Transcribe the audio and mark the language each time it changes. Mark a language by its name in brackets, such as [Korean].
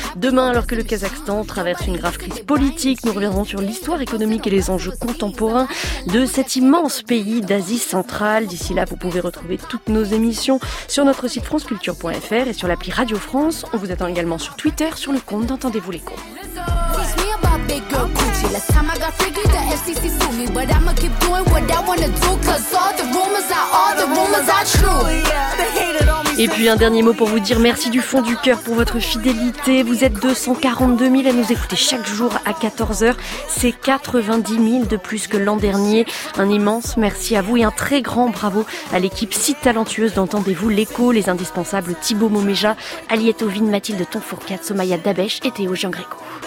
[French] Demain, alors que le Kazakhstan traverse une grave crise politique, nous reviendrons sur l'histoire économique et les enjeux contemporains de cet immense pays d'Asie centrale. D'ici là, vous pouvez retrouver toutes nos émissions sur notre site franceculture.fr et sur l'appli Radio France. On vous attend également sur Twitter sur le compte d'Entendez-vous l'écho. [English] Big girl Gucci. Last time I got freaky, the FCC sued me. But I'ma keep doing what I wanna do. Cause all the rumors are true. Yeah, they hate it on me. [French] Et puis un dernier mot pour vous dire merci du fond du cœur pour votre fidélité. Vous êtes 242 000 à nous écouter chaque jour à 14h. C'est 90 000 de plus que l'an dernier. Un immense merci à vous et un très grand bravo à l'équipe si talentueuse d'Entendez-vous l'écho, les indispensables Thibaut Moméja, Aliette Ovine, Mathilde Tonfourcade, Somaya Dabesh et Théo Jean Gréco.